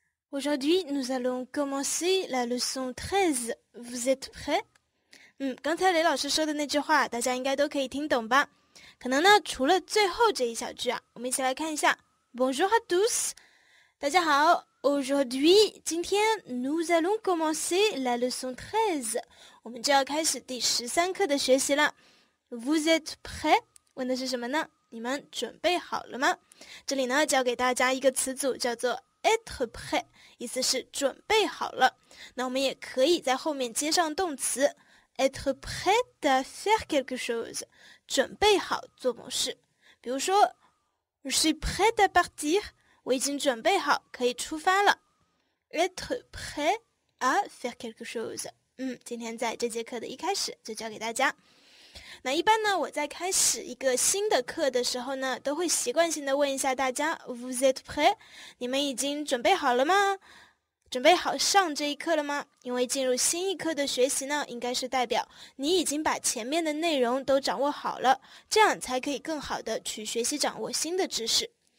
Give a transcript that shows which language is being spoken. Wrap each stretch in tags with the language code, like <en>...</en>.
<fr>Aujourd'hui, nous allons commencer la leçon 13. Vous êtes prêts?</fr> <zh>刚才雷老师说的那句话，大家应该都可以听懂吧？可能呢，除了最后这一小句啊，我们一起来看一下。</zh> <fr>Bonjour à tous.</fr> <zh>大家好</zh> <fr>,aujourd'hui,</fr> <zh>今天</zh> <fr>nous allons commencer la leçon 13.</fr> <zh>我们就要开始第13课的学习了。</zh> <fr>Vous êtes prêts?</fr> <zh>问的是什么呢？你们准备好了吗？这里呢，教给大家一个词组，叫做 être prêt, 意思是准备好了。那我们也可以在后面接上动词</zh> <fr>être prêt à faire quelque chose,</fr> <zh>准备好做某事。比如说</zh> <fr>Je suis prêt à partir.</fr> <zh>我已经准备好，可以出发了。</zh> <fr>Être prêt à faire quelque chose.</fr> <zh>今天在这节课的一开始就教给大家。那一般呢，我在开始一个新的课的时候呢，都会习惯性的问一下大家 ，</zh> <fr>Vous êtes prêt?</fr> <zh>你们已经准备好了吗？准备好上这一课了吗？因为进入新一课的学习呢，应该是代表你已经把前面的内容都掌握好了，这样才可以更好的去学习掌握新的知识。</zh>